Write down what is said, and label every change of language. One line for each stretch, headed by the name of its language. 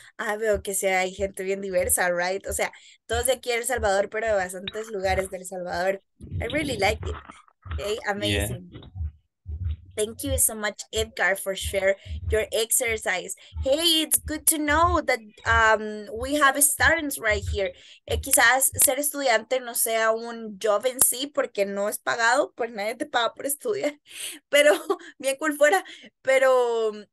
Spanish: Ah, veo que sí hay gente bien diversa, right? O sea, todos de aquí en El Salvador, pero de bastantes lugares del Salvador.
English: I really like it. Okay, amazing. Yeah. Thank you so much, Edgar, for share your exercise. Hey, it's good to know that we have students right here.
Spanish: Quizás ser estudiante no sea un job en sí, porque no es pagado, pues nadie te paga por estudiar. Pero, bien cool fuera, pero...